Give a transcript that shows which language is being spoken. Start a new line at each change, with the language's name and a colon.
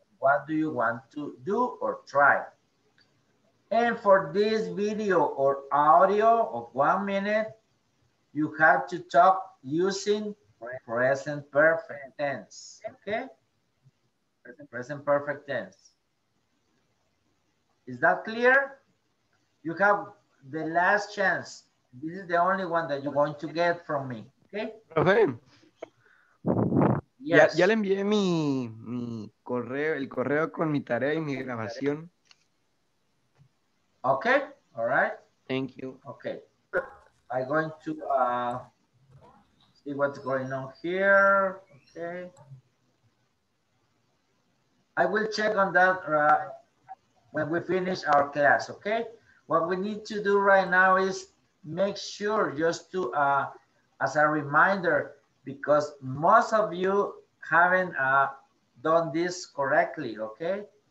English: What do you want to do or try? And for this video or audio of 1 minute, you have to talk using present perfect tense. Okay? Present perfect tense. Is that clear? You have the last chance. This is the only one that you're going to get from me. Okay? Okay. Yes.
Spanish: Ya le envié mi correo, el correo con mi tarea y mi grabación.
English: Okay, all right. Thank you. Okay. I'm going to see what's going on here. Okay. I will check on that when we finish our class, okay? What we need to do right now is make sure just to, as a reminder, because most of you haven't done this correctly, okay?